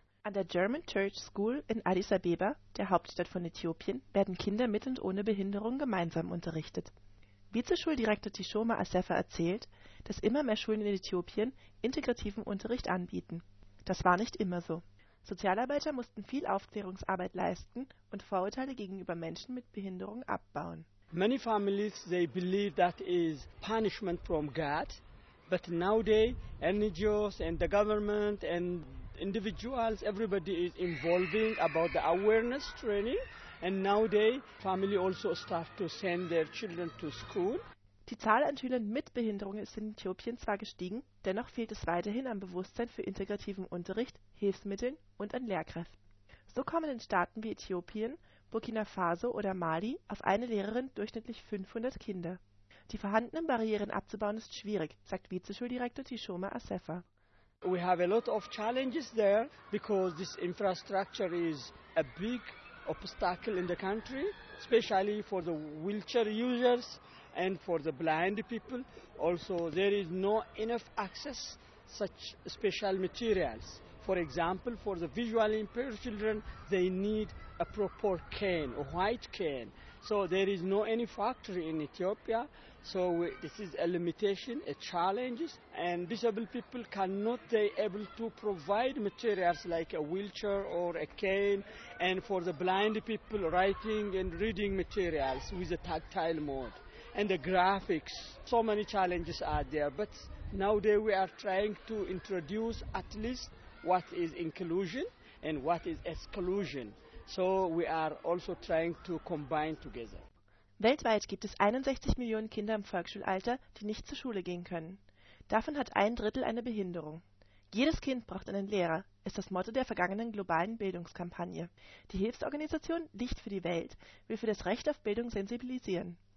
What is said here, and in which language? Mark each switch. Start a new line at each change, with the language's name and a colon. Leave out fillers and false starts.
German: An der German Church School in Addis Abeba, der Hauptstadt von Äthiopien, werden Kinder mit und ohne Behinderung gemeinsam unterrichtet. Vizeschuldirektor Tishoma Asefa erzählt, dass immer mehr Schulen in Äthiopien integrativen Unterricht anbieten. Das war nicht immer so. Sozialarbeiter mussten viel Aufklärungsarbeit leisten und Vorurteile gegenüber Menschen mit Behinderung abbauen.
English: Many families, they believe that is punishment from God, but nowadays NGOs and the government and individuals, everybody is involving about the awareness training, and nowadays family also start to send their children to school.
German: Die Zahl an Schülern mit Behinderung ist in Äthiopien zwar gestiegen, dennoch fehlt es weiterhin an Bewusstsein für integrativen Unterricht, Hilfsmitteln und an Lehrkräften. So kommen in Staaten wie Äthiopien, Burkina Faso oder Mali auf eine Lehrerin durchschnittlich 500 Kinder. Die vorhandenen Barrieren abzubauen ist schwierig, sagt Vizeschuldirektor Tishoma Asefa.
English: We have a lot of challenges there because this infrastructure is a big obstacle in the country, especially for the wheelchair users and for the blind people. Also, there is no enough access to such special materials. For example, for the visually impaired children, they need a proper cane, a white cane. So there is no any factory in Ethiopia, so this is a limitation, a challenge, and disabled people cannot be able to provide materials like a wheelchair or a cane, and for the blind people, writing and reading materials with a tactile mode, and the graphics. So many challenges are there, but nowadays we are trying to introduce at least what is inclusion and what is exclusion. So we are also trying to combine together.
German: Weltweit gibt es 61 Millionen Kinder im Volksschulalter, die nicht zur Schule gehen können. Davon hat ein Drittel eine Behinderung. Jedes Kind braucht einen Lehrer, ist das Motto der vergangenen globalen Bildungskampagne. Die Hilfsorganisation Licht für die Welt will für das Recht auf Bildung sensibilisieren.